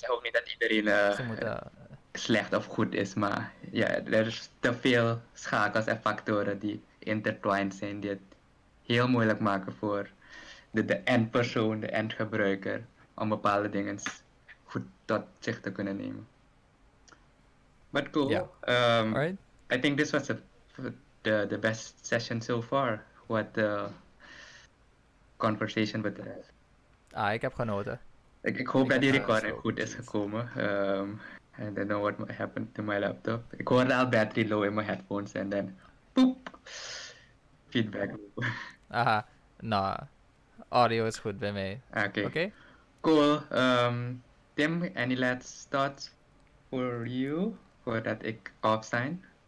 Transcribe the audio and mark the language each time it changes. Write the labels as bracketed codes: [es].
[nl] Ik zeg ook niet dat iedereen slecht of goed is, maar ja, er is te veel schakels en factoren die intertwined zijn, die het heel moeilijk maken voor de endpersoon, de endgebruiker, om bepaalde dingen goed tot zich te kunnen nemen. [en] But cool. Yeah. I think this was the best session so far, what the conversation with us. [nl] Ah, ik heb genoten. Ik hoop dat die recording goed is gekomen. [en] I don't know what happened to my laptop. [nl] Ik hoorde al battery low in mijn headphones en dan poep. [en] Feedback. [nl] Aha, nou, audio is goed bij mij. [en] Oké. Cool. Tim, any last thoughts for you, [nl] voordat ik off sign?